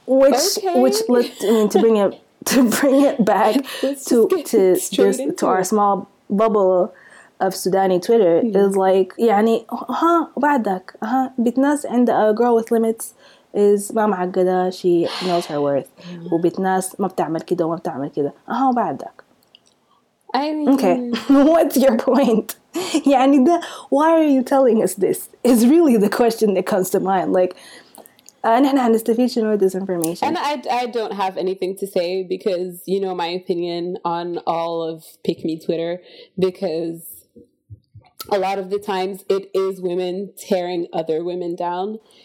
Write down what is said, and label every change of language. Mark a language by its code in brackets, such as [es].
[en] Which looked, I mean, to bring it back to our small bubble of Sudani Twitter is like, yani, [ar] بعدك, بتناس عند [en] a girl with limits is [ar] ما معقدة, [en] she knows her worth. [ar] وبتناس ما بتعمل كده وما بتعمل كده. بعدك. [en] I mean, okay, what's your point? [ar] يعني ده, [en] why are you telling us this? Is really the question that comes to mind. Like, [ar] نحن هنستفيد شنو [en] with this information. And I don't have anything to say because, you know, my opinion on all of Pick Me Twitter, because a lot of the times it is women tearing other women down.